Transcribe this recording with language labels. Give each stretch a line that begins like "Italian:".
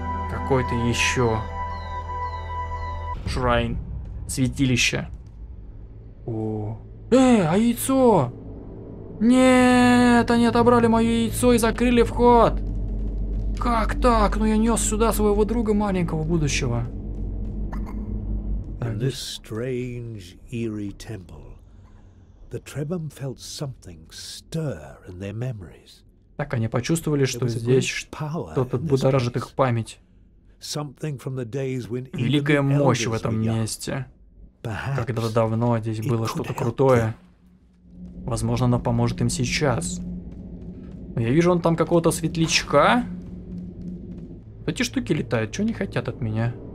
Russian: Какой-то еще... Шрайн. Святилище. О. А яйцо? Нет, они отобрали мое яйцо и закрыли вход. Как так? Ну я нес сюда своего друга маленького будущего.
English: In this strange, eerie temple, the Trebum felt something stir in their memories.
Russian: Так они почувствовали, что здесь кто-то будоражит их память. Великая мощь в этом месте. Когда-то давно здесь было что-то крутое. Возможно, оно поможет им сейчас. Я вижу, он там какого-то светлячка. Эти штуки летают, что они хотят от меня?